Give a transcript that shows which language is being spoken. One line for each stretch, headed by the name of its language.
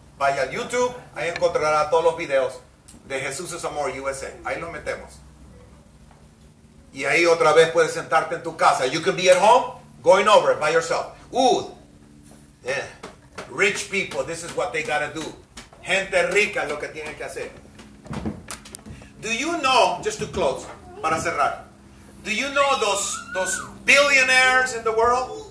Spanish: Vaya a YouTube, ahí encontrará todos los videos. De Jesús es Amor USA. Ahí lo metemos. Y ahí otra vez puedes sentarte en tu casa.
English: You can be at home, going over it by yourself. Ooh, yeah. Rich people, this is what they gotta do.
Spanish: Gente rica es lo que tienen que hacer.
English: Do you know, just to close, para cerrar, do you know those billionaires in the world?